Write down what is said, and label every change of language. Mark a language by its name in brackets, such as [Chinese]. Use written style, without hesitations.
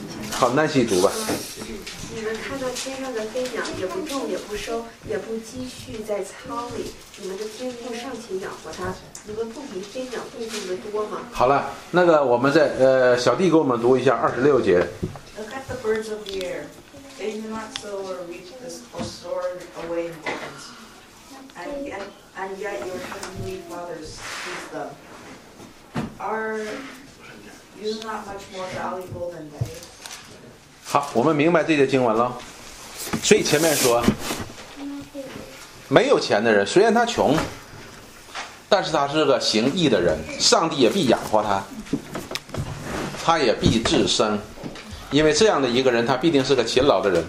[Chinese] 好，耐心读吧。你们看到天上的飞鸟，也不种，也不收，也不积蓄在仓里，你们的天父尚且养活它，你们不比飞鸟贵重的多吗？好了，那个我们在小弟给我们读一下二十六节。 [English] Look at the birds of the air; they do not sow or reap or store away in barns, and yet your heavenly Father feeds them. Are you not much more valuable than they? [Chinese] 好，我们明白这些经文了。所以前面说，没有钱的人虽然他穷，但是他是个行义的人，上帝也必养活他，他也必自生，因为这样的一个人他必定是个勤劳的人。